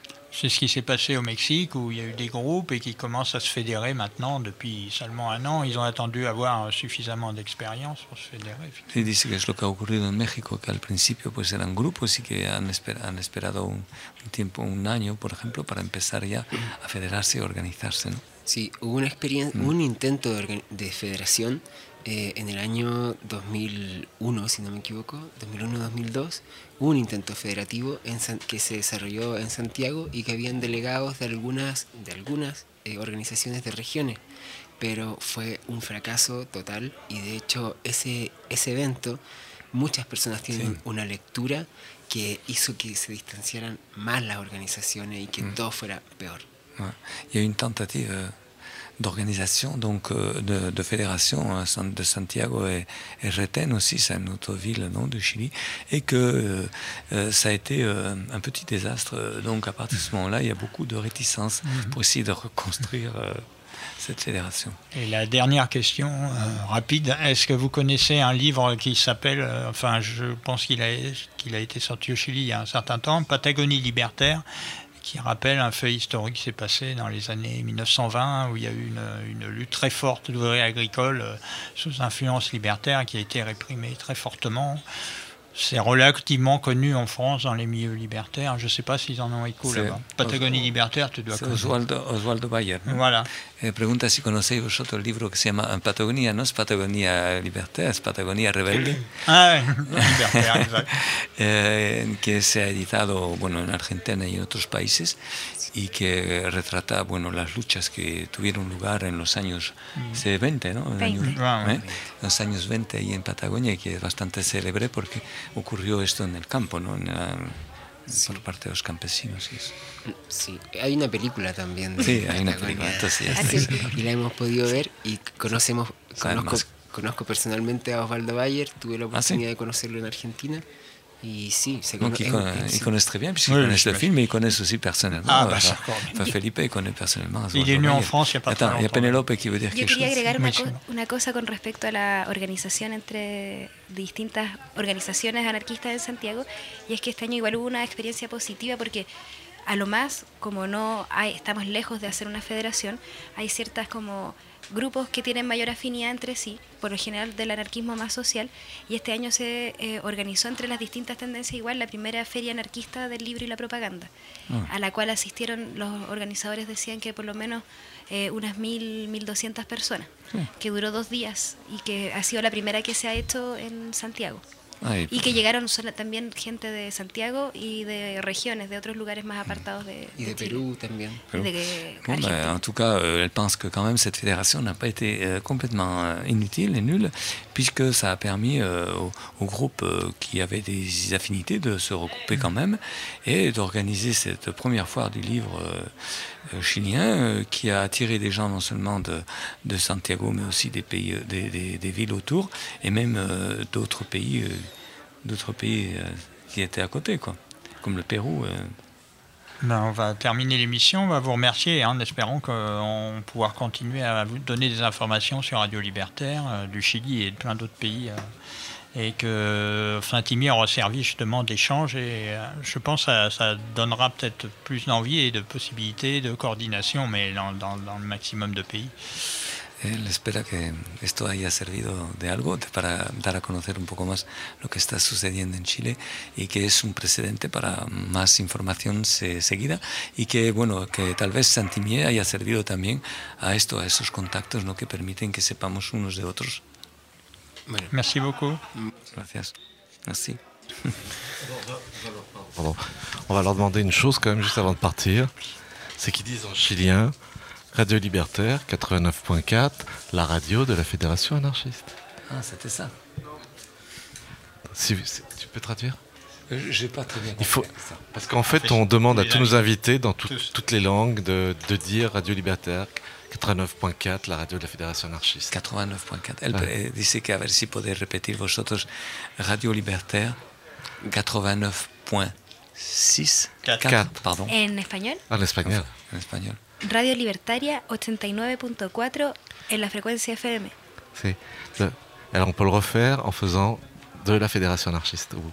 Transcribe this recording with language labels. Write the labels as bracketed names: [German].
[French] C'est ce qui s'est passé au Mexique, où il y a eu des groupes et qui commencent à se fédérer maintenant depuis seulement un an. Ils ont attendu avoir suffisamment d'expérience pour se fédérer. Il dit que c'est ce qui a occurri en Mexique, qu'au principe, c'était un groupe aussi qui a esperado un an, par exemple, pour commencer déjà à fédérer et organiser. [Spanish] Sí, hubo una experiencia, un intento de federación en el año 2001, si no me equivoco, 2001-2002, hubo un intento federativo que se desarrolló en Santiago y que habían delegados de algunas organizaciones de regiones, pero fue un fracaso total. Y de hecho, ese evento, muchas personas tienen una lectura que hizo que se distanciaran más las organizaciones y que todo fuera peor. Y hay una tentativa [French] d'organisation, donc de fédération hein, de Santiago et Retén aussi, c'est une autre ville non, du Chili, et que ça a été un petit désastre. Donc à partir de ce moment-là, il y a beaucoup de réticence pour essayer de reconstruire cette fédération. Et la dernière question rapide, est-ce que vous connaissez un livre qui s'appelle, enfin je pense qu'il a été sorti au Chili il y a un certain temps, Patagonie Libertaire, qui rappelle un fait historique qui s'est passé dans les années 1920, où il y a eu une lutte très forte d'ouvriers agricoles sous influence libertaire, qui a été réprimée très fortement. C'est relativement connu en France, dans les milieux libertaires. Je ne sais pas s'ils en ont écho là-bas. Patagonie Libertaire, tu dois connaître. Oswaldo Bayer. Voilà. [Spanish] Et pregunta si conocéis vosotros el libro que se llama Patagonia, no es Patagonia Libertaire, es Patagonia Rebelde. Ah, Libertaire, exacto. que se ha editado bueno, en Argentina y en otros países y que retrata bueno, las luchas que tuvieron lugar en los años 20, ¿no? Los años 20 y en Patagonia, y que es bastante célebre porque ocurrió esto en el campo, ¿no? Por parte de los campesinos. Y eso. Sí, hay una película también. Sí, hay una película. Entonces, y la hemos podido ver y conozco personalmente a Osvaldo Bayer, tuve la oportunidad de conocerlo en Argentina. [French] Il connaît très bien, puisqu'il connaît le film, mais il connaît aussi personnellement. Ah, bah, enfin, Felipe, il connaît personnellement. Il est venu en France, il n'y a pas trop longtemps. Il y a Penelope qui veut dire quelque chose. Je voulais ajouter une chose [Spanish] con respecto a la organisation entre distintas organizaciones anarquistas en Santiago, et es que este año igual hubo una experiencia positiva, porque a lo más, como no hay, estamos lejos de hacer una federación, hay ciertas como grupos que tienen mayor afinidad entre sí, por lo general del anarquismo más social, y este año se organizó entre las distintas tendencias igual la primera feria anarquista del libro y la propaganda, a la cual asistieron, los organizadores decían que por lo menos unas 1.200 personas, que duró 2 días y que ha sido la primera que se ha hecho en Santiago. Y que llegaron también gente de Santiago y de regiones, de otros lugares más apartados de Y de Perú también. [French] Bon, ben, en tout cas, elle pense que quand même cette fédération n'a pas été complètement inutile et nulle, puisque ça a permis au groupe qui avait des affinités de se regrouper quand même et d'organiser cette première foire du livre chilien qui a attiré des gens non seulement de Santiago, mais aussi des pays, des villes autour et même d'autres pays. D'autres pays qui étaient à côté, quoi, comme le Pérou. Ben, on va terminer l'émission, on va vous remercier hein, en espérant qu'on pourra continuer à vous donner des informations sur Radio Libertaire, du Chili et de plein d'autres pays. Et que Saint-Imier aura servi justement d'échange. Et je pense que ça donnera peut-être plus d'envie et de possibilités de coordination, mais dans le maximum de pays. [Spanish] Él espera que esto haya servido de algo para dar a conocer un poco más lo que está sucediendo en Chile y que es un precedente para más información seguida y que, bueno, que tal vez Santimier haya servido también a esto, a esos contactos, ¿no?, que permiten que sepamos unos de otros. [French] Bueno. Merci beaucoup. [Spanish] Gracias. Merci. [French] Pardon. On va leur demander une chose quand même juste avant de partir. C'est qu'ils disent en chilien... Radio Libertaire 89.4, la radio de la Fédération anarchiste. Ah, c'était ça. Tu peux traduire ? J'ai pas très bien. Il faut, parce qu'en fait, on demande à tous nos invités dans toutes les langues de dire Radio Libertaire 89.4, la radio de la Fédération anarchiste. 89.4. Elle disait qu'à [Spanish] ver si podéis [French] répéter vosotros Radio Libertaire 89.6. 4. Pardon. En espagnol ? En espagnol. En espagnol. [Spanish] Radio Libertaria 89.4 en la frecuencia FM. Sí. [French] Alors on peut le refaire en faisant de la Fédération anarchiste.